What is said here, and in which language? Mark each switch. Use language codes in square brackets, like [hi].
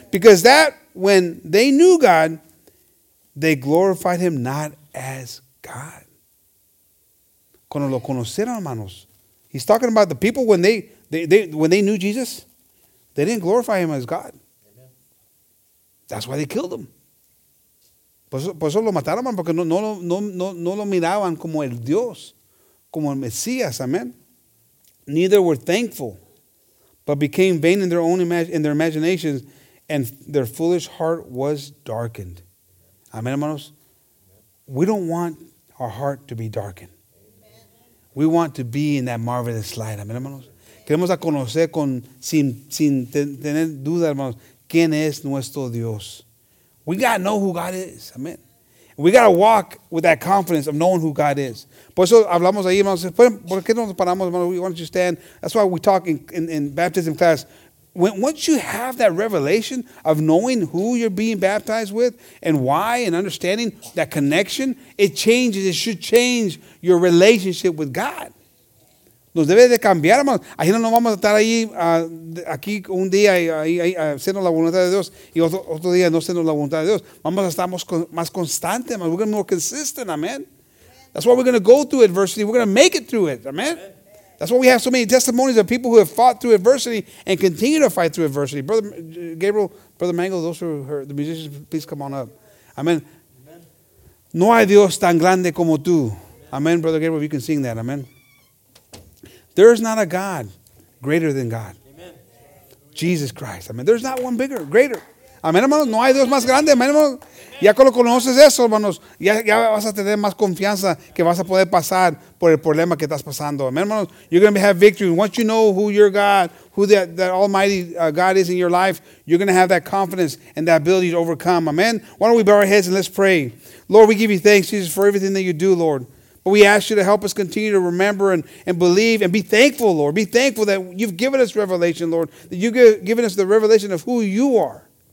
[en] Because that when they knew God, they glorified him not as God. [es] Cuando lo conocieron, hermanos. [en] He's talking about the people when they knew Jesus, they didn't glorify him as God. Amen. That's why they killed him. [es] Por eso lo mataron, porque no lo miraban como el Dios, como el Mesías, amen. [en] Neither were thankful, but became vain in their own imaginations, and their foolish heart was darkened. Amen, hermanos. We don't want our heart to be darkened. Amen. We want to be in that marvelous light, amen, hermanos. [es] Queremos a conocer con sin tener duda, hermanos, quién es nuestro Dios. [en] We got to know who God is. Amen. We got to walk with that confidence of knowing who God is. [es] Por eso hablamos ahí, hermanos. ¿Por qué no nos paramos, hermanos? [en] Why don't you stand? That's why we talk in baptism class. When, once you have that revelation of knowing who you're being baptized with and why and understanding that connection, it changes. It should change your relationship with God. [es] Nos debe de cambiar, hermanos. Ahí no vamos a estar ahí, aquí un día haciendo la voluntad de Dios y otro día no haciendo la voluntad de Dios. Vamos a estar más constantes, hermanos. [en] We're going to be more consistent, amen. That's why we're going to go through adversity. We're going to make it through it, amen. That's why we have so many testimonies of people who have fought through adversity and continue to fight through adversity. Brother Gabriel, Brother Mangle, those who are the musicians, please come on up. Amen. [es] No hay Dios tan grande como tú. [en] Amen, Brother Gabriel, you can sing that, amen. There is not a God greater than God. Amen. Jesus Christ. I mean, there's not one bigger, greater. [es] Amén, hermanos. No hay Dios más grande. Amén, hermanos. Ya conoces eso, hermanos. Ya vas a tener más confianza que vas a poder pasar por el problema que estás pasando. Amén, hermanos. [en] You're going to have victory. Once you know who your God, who that almighty God is in your life, you're going to have that confidence and that ability to overcome. Amen. Why don't we bow our heads and let's pray. Lord, we give you thanks, Jesus, for everything that you do, Lord. But we ask you to help us continue to remember and believe and be thankful, Lord. Be thankful that you've given us revelation, Lord, that you've given us the revelation of who you are.